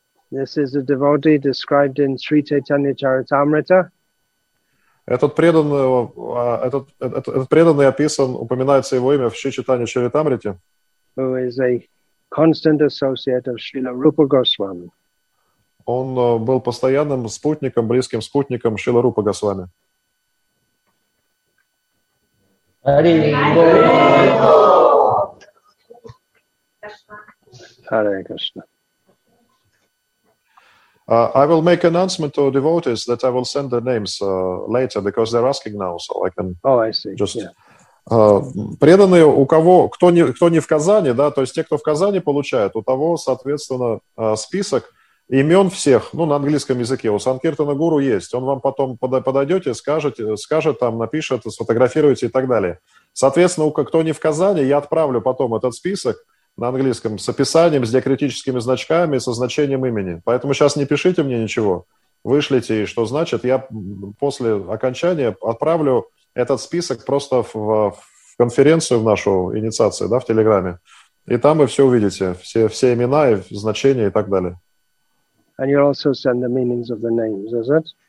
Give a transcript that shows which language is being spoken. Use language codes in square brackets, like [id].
[en] This is a devotee described in Sri Chaitanya Charitamrita. [ru] Этот преданный описан, упоминается его имя в Шри Чайтанья Чаритамрите. [en] Who is a constant associate of Srila Rupa Goswami. [ru] Он был постоянным спутником, близким спутником Шрила Рупа Госвами. [en] Hare Krishna. I will make announcement to devotees that I will send their names later, because they're asking now, so I can [ru] Преданные, у кого, кто не в Казани, да, то есть те, кто в Казани получают, у того, соответственно, список имен всех, ну, на английском языке, у Санкиртана Гуру есть, он вам потом подойдете, скажет там, напишет, сфотографируете и так далее. Соответственно, кто не в Казани, я отправлю потом этот список на английском с описанием, с диакритическими значками, со значением имени. Поэтому сейчас не пишите мне ничего, вышлите, и что значит, я после окончания отправлю этот список просто в конференцию в нашу инициацию, да, в Телеграме. И там вы все увидите, все имена и значения и так далее. [en] And you'll also send the meanings of the names, is it?